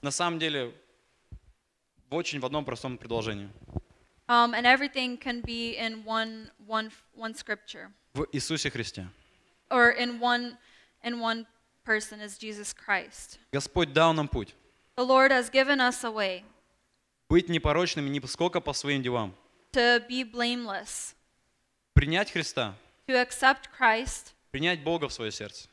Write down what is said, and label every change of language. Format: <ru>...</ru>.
<ru>На самом деле, очень в одном простом предложении.</ru> <en>And everything can be in one scripture.</en> <ru>В Иисусе Христе.</ru> <en>Or in one person is Jesus Christ.</en> <ru>Господь дал нам путь.</ru> <en>The Lord has given us a way.</en> <ru>Быть непорочными не сколько по своим делам.</ru> <en>To be blameless.</en> <ru>Принять Христа.</ru> <en>To accept Christ.</en> <ru>Принять Бога в свое сердце.</ru>